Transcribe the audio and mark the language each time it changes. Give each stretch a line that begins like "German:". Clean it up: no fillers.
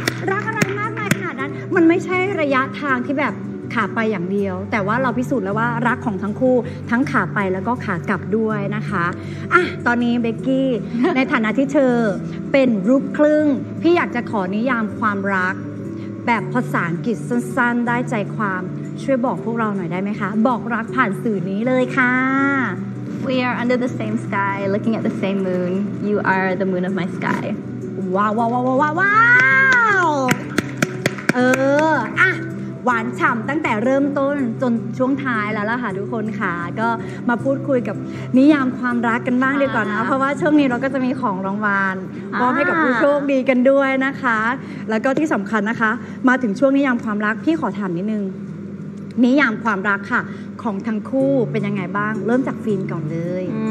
Thai: รักอะไรมากมายขนาดนั้นมันไม่ใช่ระยะทางที่แบบขาไปอย่างเดียวแต่ว่าเราพิสูจน์แล้วว่ารักของทั้งคู่ทั้งขาไปแล้วก็ขากลับด้วยนะคะอ่ะตอนนี้เบกกี้ในฐานะที่เธอเป็นรูปครึ่งพี่อยากจะขอนิยามความรักแบบภาษาอังกฤษสั้นๆได้ใจความช่วยบอกพวกเราหน่อยได้ไหมคะบอกรักผ่านสื่อนี้เลยค่ะ
English: We are under the same sky looking at the same moon you are the moon of my sky
Thai: ว้าวว้าวว้าวว้าวเอออ่ะหวานฉ่ำตั้งแต่เริ่มต้นจนช่วงท้ายแล้วล่ะค่ะทุกคนค่ะก็มาพูดคุยกับนิยามความรักกันบ้างดีกว่านะเพราะว่าช่วงนี้เราก็จะมีของรางวัลมอบให้กับผู้โชคดีกันด้วยนะคะแล้วก็ที่สำคัญนะคะมาถึงช่วงนิยามความรักพี่ขอถามนิดนึงนิยามความรักค่ะของทั้งคู่เป็นยังไงบ้างเริ่มจากฟินก่อนเลย